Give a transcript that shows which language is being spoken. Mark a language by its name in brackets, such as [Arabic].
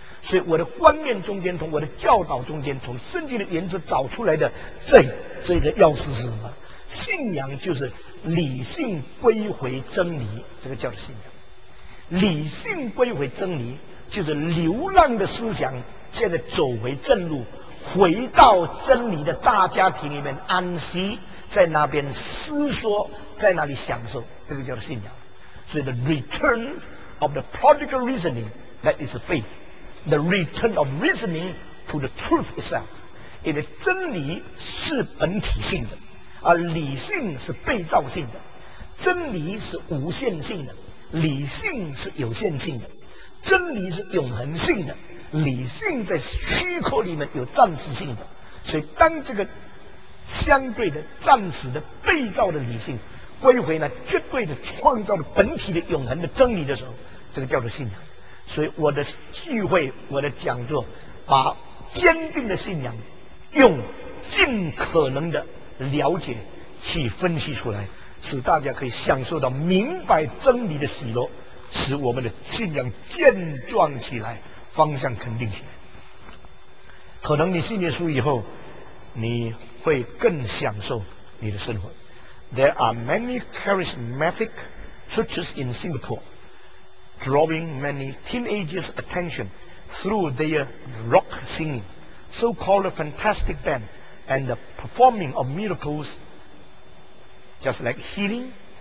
[Chinese] 所以我的观念中间，从我的教导中间，从圣经的原则找出来的这个钥匙是什么？信仰就是理性归回真理，这个叫做信仰。理性归回真理就是流浪的思想现在走回正路，回到真理的大家庭里面安息，在那边思索，在那里享受，这个叫做信仰。 [English] 所以 the return of the prodigal reasoning, that is faith. The return of reasoning to the truth itself. [Chinese] 因为真理是本体性的，而理性是被造性的。真理是无限性的，理性是有限性的。真理是永恒性的，理性在虚空里面有暂时性的。所以当这个相对的暂时的被造的理性归回了绝对的创造的本体的永恒的真理的时候，这个叫做信仰。所以我的聚会，我的讲座，把坚定的信仰用尽可能的了解去分析出来，使大家可以享受到明白真理的喜乐，使我们的信仰健壮起来，方向肯定起来。可能你信耶稣以后，你会更享受你的生活。 [English] There are many charismatic churches in Singapore, drawing many teenagers' attention through their rock singing, so-called fantastic band, and the performing of miracles, just like healing.